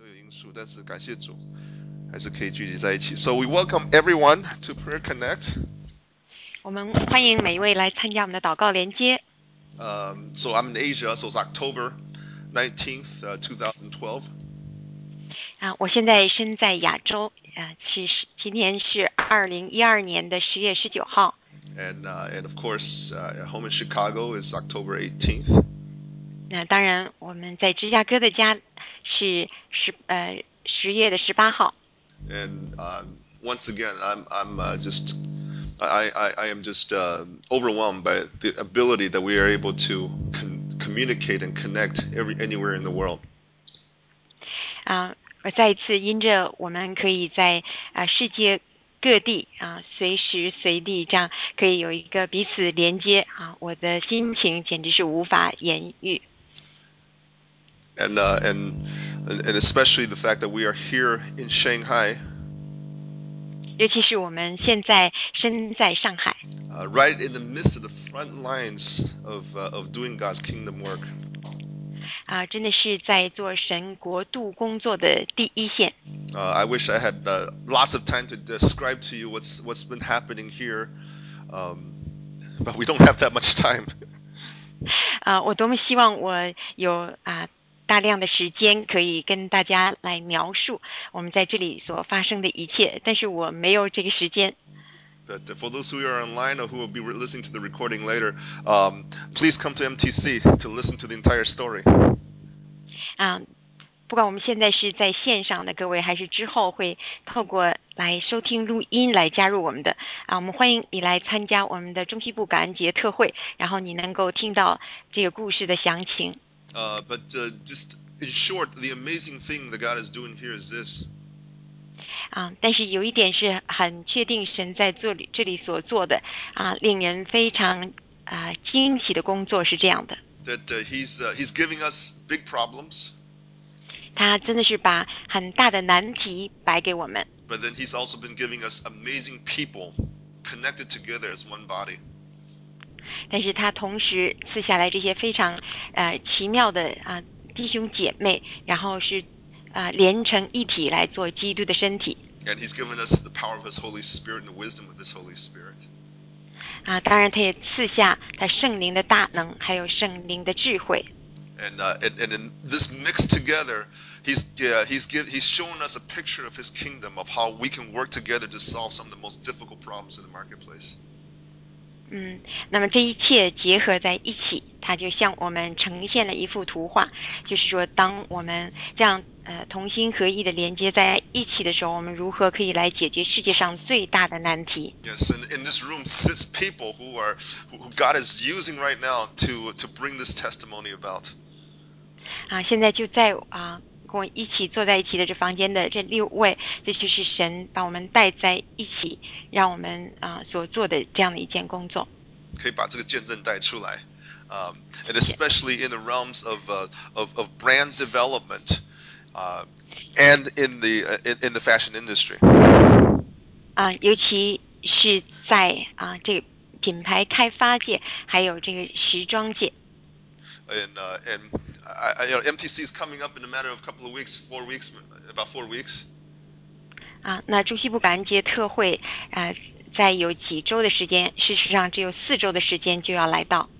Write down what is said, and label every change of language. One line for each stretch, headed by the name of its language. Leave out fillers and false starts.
Chinese: 数，但是感谢主，还是可以聚集在一起。
English: So we welcome everyone to Prayer Connect.
Chinese: 我们欢迎每一位来参加我们的祷告连接。
English: So I'm in Asia, so it's October 19th, 2012.
Chinese: 我现在身在亚洲，今天是2012年的10月19号。
English: And of course, home in Chicago is October 18th.
Chinese: 那当然，我们在芝加哥的家是十月的十八号。
English: And once again, I am just overwhelmed by the ability that we are able to communicate and connect anywhere in the world.
Chinese: 我再一次因着我们可以在世界各地随时随地这样可以有一个彼此连接我的心情简直是无法言喻。
English: And especially the fact that we are here in Shanghai.
Chinese: 尤其是我们现在身在上海。
English: Right in the midst of the front lines of doing God's kingdom work.
Chinese: 真的是在做神国度工作的第一线。
English: I wish I had lots of time to describe to you what's been happening here, but we don't have that much time.
Chinese: 我多么希望我有大量的时间可以跟大家来描述我们在这里所发生的一切，但是我没有这个时间。
English: But for those who are online or who will be listening to the recording later, please come to MTC to listen to the entire story.
Chinese: 不管我们现在是在线上的各位，还是之后会透过来收听录音来加入我们的我们欢迎你来参加我们的中西部感恩节特会，然后你能够听到这个故事的详情。
English: But just in short, the amazing thing that God is doing here is this.
Chinese: 但是有一点是很确定神在这里所做的令人非常惊喜的工作是这样的。
English: That he's giving us big problems.
Chinese: 他真的是把很大的难题摆给我们。
English: But then he's also been giving us amazing people connected together as one body.
Chinese: 但是他同时赐下来这些非常奇妙的弟兄姐妹，然后是连成一体来做基督的身体。
English: And he's given us the power of his Holy Spirit and the wisdom of his Holy Spirit.
Chinese: 当然他也赐下他圣灵的大能，还有圣灵的智慧。
English: And in this mixed together, he's shown us a picture of his kingdom of how we can work together to solve some of the most difficult problems in the marketplace.
Chinese: 那么这一切结合在一起，它就向我们呈现了一幅图画，就是说当我们这样同心合意的连接在一起的时候，我们如何可以来解决世界上最大的难题。
English: Yes, and in this room sits people who God is using right now to bring this testimony about.
Chinese: 现在就在跟我一起坐在一起的这房间的这六位，这就是神把我们带在一起，让我们所做的这样的一件工作。可以把这个见证带出来，
English: and especially in the realms of brand development, and in the fashion industry.
Chinese: 尤其是在这个品牌开发界，还有这个时装界。
English: And MTC is coming up in a matter of a couple of weeks, about four weeks.
Chinese: 那中西部感恩节特会，在有几周的时间，事实上只有四周的时间就要来到。